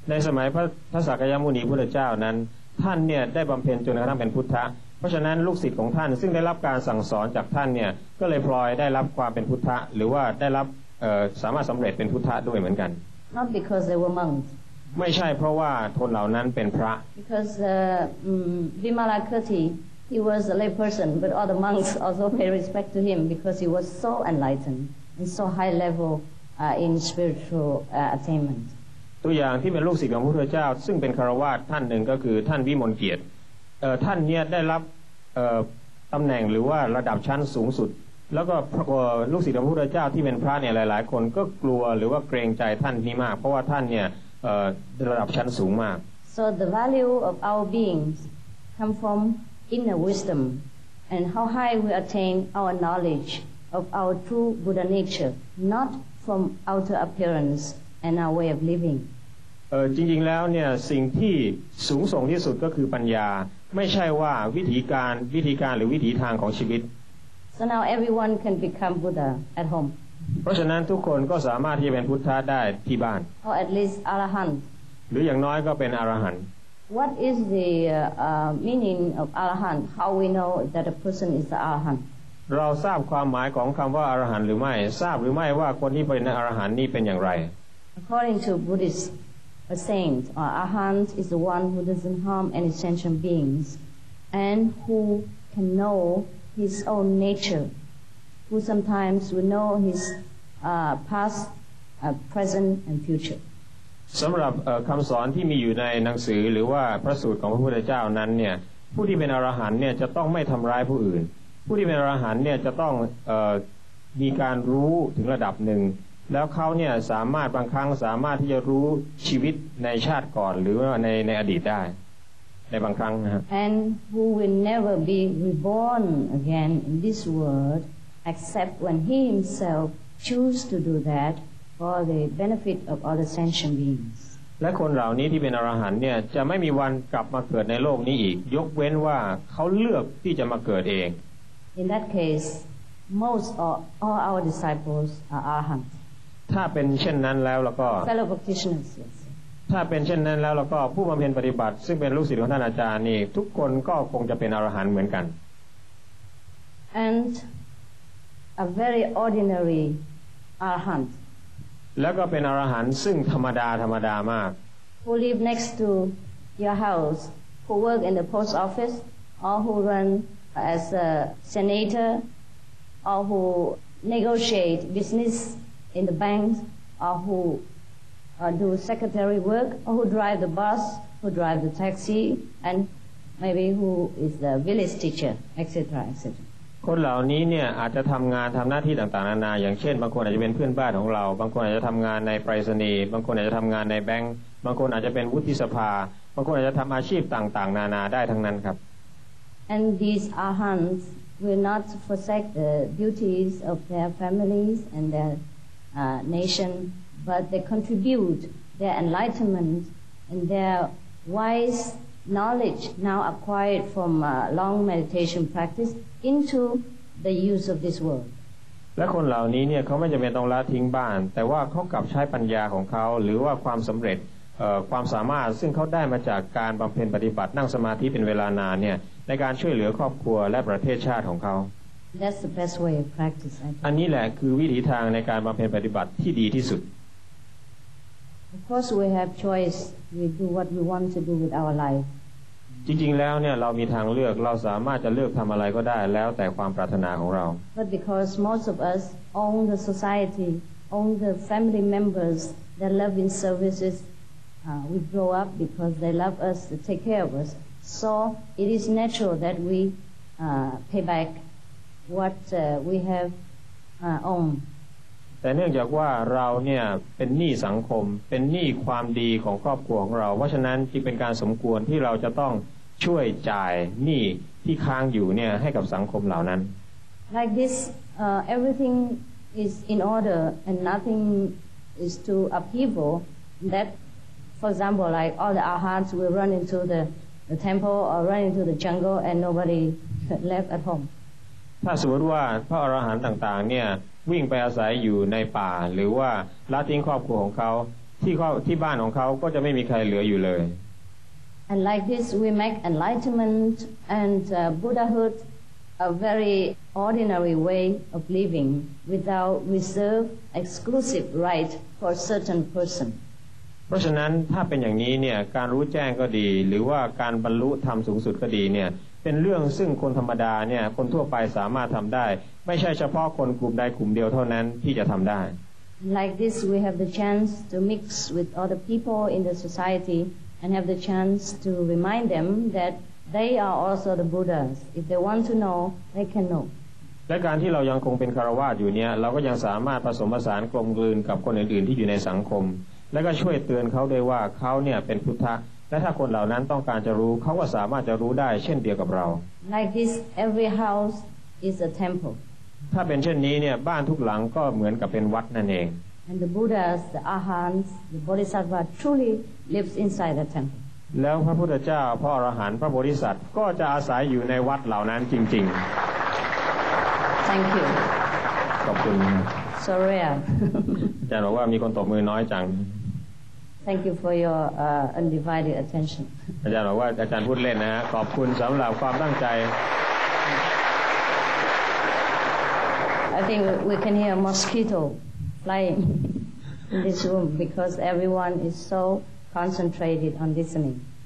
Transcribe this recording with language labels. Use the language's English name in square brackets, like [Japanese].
[Thai] ในสมัยพระสักยมุนีพุทธเจ้านั้นท่านเนี่ยได้บำเพ็ญจนกระทั่งเป็นพุทธะเพราะฉะนั้นลูกศิษย์ของท่านซึ่งได้รับการสั่งสอนจากท่านเนี่ยก็เลยพลอยได้รับความเป็นพุทธะหรือว่าได้รับสามารถสำเร็จเป็นพุทธะด้วยเหมือนกัน [English] Not because they were monks. [Thai] ไม่ใช่เพราะว่าคนเหล่านั้นเป็นพระ [English] Because Vimalakirti he was a lay person but all the monks also pay respect to him because he was so enlightened and so high level in spiritual attainment [Thai] ตัวอย่างที่เป็นลูกศิษย์ของพระพุทธเจ้าซึ่งเป็นคฤหัสถ์ท่านหนึ่งก็คือท่านวิมลเกียรติท่านเนี่ยได้รับตำแหน่งหรือว่าระดับชั้นสูงสุดแล้วก็ลูกศิษย์ของพระพุทธเจ้าที่เป็นพระเนี่ยหลายๆคนก็กลัวหรือว่าเกรงใจท่านนี้มากเพราะว่าท่านเนี่ยระดับชั้นสูงมาก [English] So the value of our beings come from inner wisdom and how high we attain our knowledge of our true Buddha nature not from outer appearance and our way of living [Thai] จริงๆแล้วเนี่ยสิ่งที่สูงส่งที่สุดก็คือปัญญาไม่ใช่ว่าวิธีการหรือวิถีทางของชีวิต [English] So now everyone can become Buddha at home [Thai] เพราะฉะนั้นทุกคนก็สามารถที่จะเป็นพุทธะได้ที่บ้าน [English] Or at least Arahant [Thai] หรืออย่างน้อยก็เป็นอรหันต์ [English] What is the meaning of Arahant? How we know that a person is the Arahant? [Thai] เราทราบความหมายของคำว่าอรหันต์หรือไม่ทราบหรือไม่ว่าคนที่เป็นอรหันต์นี่เป็นอย่างไร [English] According to Buddhist a saint or Arahant is the one who doesn't harm any sentient beings and who can know his own natureWho sometimes will know his past, present, and future. [Thai] สำหรับคำสอนที่มีอยู่ในหนังสือหรือว่าพระสูตรของพระพุทธเจ้านั้นเนี่ยผู้ที่เป็นอรหันต์เนี่ยจะต้องไม่ทำร้ายผู้อื่นผู้ที่เป็นอรหันต์เนี่ยจะต้องมีการรู้ถึงระดับหนึ่งแล้วเขาเนี่ยสามารถบางครั้งสามารถที่จะรู้ชีวิตในชาติก่อนหรือว่าในอดีตได้ในบางครั้งนะครับ [English] And who will never be reborn again in this worldexcept when he himself choose to do that for the benefit of other sentient beings [Thai] และคนเหล่านี้ที่เป็นอรหันต์เนี่ยจะไม่มีวันกลับมาเกิดในโลกนี้อีกยกเว้นว่าเขาเลือกที่จะมาเกิดเอง [English] In that case most or all our disciples are arhants [Thai] ถ้าเป็นเช่นนั้นแล้วก็ [English] fellow practitioners yes [Thai] ถ้าเป็นเช่นนั้นแล้วก็ผู้บำเพ็ญปฏิบัติซึ่งเป็นลูกศิษย์ของท่านอาจารย์นี่ทุกคนก็คงจะเป็นอรหันต์เหมือนกัน [English] andA very ordinary arahant. [Thai] แล้วก็เป็นอรหันต์ซึ่งธรรมดามาก [English] Who live next to your house? Who work in the post office? Or who run as a senator? Or who negotiate business in the banks? Or who do secretary work? Or who drive the bus? Who drive the taxi? And maybe who is the village teacher, etc., etc. [Thai] คนเหล่านี้เนี่ยอาจจะทำงานทำหน้าที่ต่างๆนานาอย่างเช่นบางคนอาจจะเป็นเพื่อนบ้านของเราบางคนอาจจะทำงานในไปรษณีย์บางคนอาจจะทำงานในแบงก์บางคนอาจจะเป็นวุฒิสภาบางคนอาจจะทำอาชีพต่างๆนานาได้ทั้งนั้นครับ [English] And these arhants will not forsake the duties of their families and their nation but they contribute their enlightenment and their wise knowledge now acquired from long meditation practiceinto the use of this world [Thai] และคนเหล่านี้เนี่ยเขาไม่จําเป็นต้องละทิ้งบ้านแต่ว่าเขากลับใช้ปัญญาของเขาหรือว่าความสําเร็จ ความสามารถซึ่งเขาได้มาจากการบำเพ็ญปฏิบัตินั่งสมาธิเป็นเวลานานเนี่ยในการช่วยเหลือครอบครัวและประเทศชาติของเขา [English] That's the best way of practice I think. [Thai] อันนี้แหละคือวิถีทางในการบำเพ็ญปฏิบัติที่ดีที่สุด [English] Of course we have choice we do what we want to do with our life [Thai] จริงๆแล้วเนี่ยเรามีทางเลือกเราสามารถจะเลือกทำอะไรก็ได้แล้วแต่ความปรารถนาของเรา [English] But because most of us own the society own the family members that love in services we grow up because they love us to take care of us so it is natural that we pay back what we have owned [Thai] แต่เนื่องจากว่าเราเนี่ยเป็นหนี้สังคมเป็นหนี้ความดีของครอบครัวของเราเพราะฉะนั้นจึงเป็นการสมควรที่เราจะต้องช่วยจ่ายหนี้ที่ค้างอยู่เนี่ยให้กับสังคมเหล่านั้น [English] like this everything is in order and nothing is to upheaval thatFor example, like all the arhats will run into the temple or run into the jungle and nobody left at home. [Thai] ถ้าสมมติว่าพระอรหันต์ต่างๆเนี่ยวิ่งไปอาศัยอยู่ในป่าหรือว่าละทิ้งครอบครัวของเขาที่บ้านของเขาก็จะไม่มีใครเหลืออยู่เลย [English] And like this, we make enlightenment and Buddhahood a very ordinary way of living without reserve exclusive right for a certain person. [Thai] เพราะฉะนั้นถ้าเป็นอย่างนี้เนี่ยการรู้แจ้งก็ดีหรือว่าการบรรลุธรรมสูงสุดก็ดีเนี่ยเป็นเรื่องซึ่งคนธรรมดาเนี่ยคนทั่วไปสามารถทำได้ไม่ใช่เฉพาะคนกลุ่มใดกลุ่มเดียวเท่านั้นที่จะทำได้ [English] Like this we have the chance to mix with other people in the society and have the chance to remind them that they are also the Buddhas if they want to know they can know [Thai] และการที่เรายังคงเป็นคฤหัสถ์อยู่เนี่ยเราก็ยังสามารถผสมผสานกลมกลืนกับคนอื่นๆที่อยู่ในสังคมและก็ช่วยเตือนเขาด้วยว่าเขาเนี่ยเป็นพุทธะและถ้าคนเหล่านั้นต้องการจะรู้เขาก็สามารถจะรู้ได้เช่นเดียวกับเรา [English] Like this every house is a temple [Thai] ถ้าเป็นเช่นนี้เนี่ยบ้านทุกหลังก็เหมือนกับเป็นวัดนั่นเอง [English] And the Buddhas the Arhants the Bodhisattva truly lives inside the temple [Thai] แล้วพระพุทธเจ้าพระอรหันต์พระโพธิสัตว์ก็จะอาศัยอยู่ในวัดเหล่านั้นจริง [English] ๆ Thank you [Thai] ขอบคุณ [English] Sorry [Thai] อาจารย์บอกว่ามีคนตบมือน้อยจัง [English] Thank you for your undivided attention. [Thai] อาจารย์บอกว่าอาจารย์พูดเล่นนะฮะขอบคุณสำหรับความตั้งใจ [English] I think we can hear a mosquito flying in this room because everyone is so concentrated on listening.